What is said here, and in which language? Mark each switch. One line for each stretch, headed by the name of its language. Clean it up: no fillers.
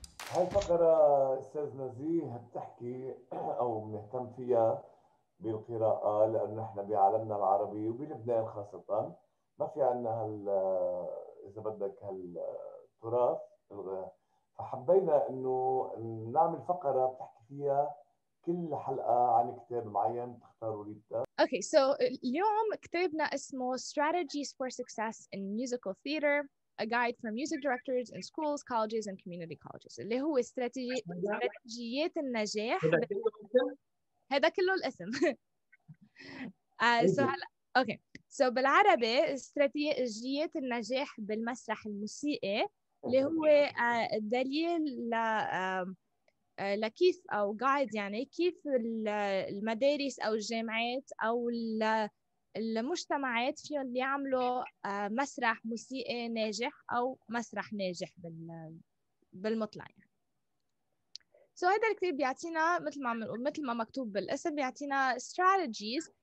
Arabic: هالفقرة أستاذ نزيه بتحكي أو بنهتم فيها بالقراءة لأن إحنا بعالمنا العربي وبلبنان خاصة ما في عنا هال إذا بدك هالتراث فحبينا إنه نعمل فقرة بتحكي فيها كل حلقة عن كتاب معين تختاروا ليبدأ.
English: Okay, so
Arabic: اليوم كتابنا اسمه
English: Strategies for Success in Musical Theater. A guide for music directors in schools, colleges, and community colleges.
Arabic: اللي هو استراتيجيات النجاح. هذا كله الاسم.
English: Okay.
Arabic: So بالعربي استراتيجيات النجاح بالمسرح الموسيقي اللي هو دليل لكيف أو guide يعني كيف المدارس أو الجامعات أو المجتمعات فيهم اللي يعملوا مسرح موسيقي ناجح أو مسرح ناجح بالمطلع يعني. So هذا الكتاب بيعطينا مثل ما مكتوب بالاسم بيعطينا strategies